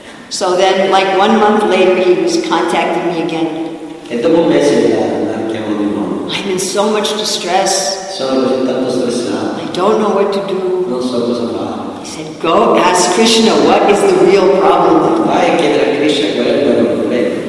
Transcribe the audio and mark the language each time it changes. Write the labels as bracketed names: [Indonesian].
[English] So then, like 1 month later, he was contacting me again. [Italian] E dopo un mese mi chiamò di nuovo. [English] I'm in so much distress. [Italian] Sono così tanto stressato. [English] I don't know what to do. [Italian] Non so cosa fare. [English] He said, go ask Krishna, what is the real problem? [Italian] Vai a chiedere a Krishna qual è il vero problema.